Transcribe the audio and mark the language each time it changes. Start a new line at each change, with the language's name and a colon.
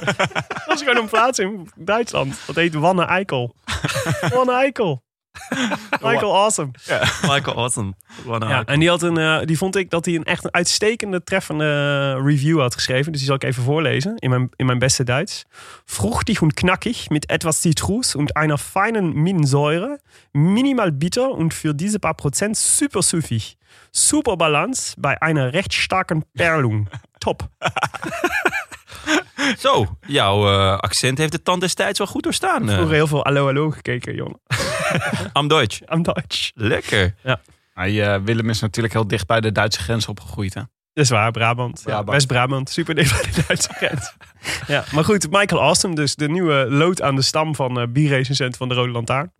Dutch: Dat is gewoon een plaats in Duitsland. Dat heet Wanne-Eickel. Wanne-Eickel. Michael Awesome. Yeah. Michael Awesome. Ja, en die vond ik dat hij een echt uitstekende, treffende review had geschreven. Dus die zal ik even voorlezen in mijn beste Duits.
German: Fruchtig und knackig mit etwas Zitrus und einer feinen Minensäure. Minimal bitter und für diese paar Prozent super süffig. Super Balance bei einer recht starken Perlung. Top.
Dutch: Zo, jouw accent heeft de tand destijds wel goed doorstaan. Ik heb vroeger heel veel allo gekeken, jongen.
German: Am Deutsch.
Dutch: Lekker. Ja. Maar Willem is natuurlijk heel dicht bij de Duitse grens opgegroeid, hè? Dat is waar, Brabant. Ja, West-Brabant. Super dicht bij de Duitse grens. Ja. Maar goed, Michael Awesome, dus de nieuwe lood aan de stam van bierrecensent van de Rode Lantaarn.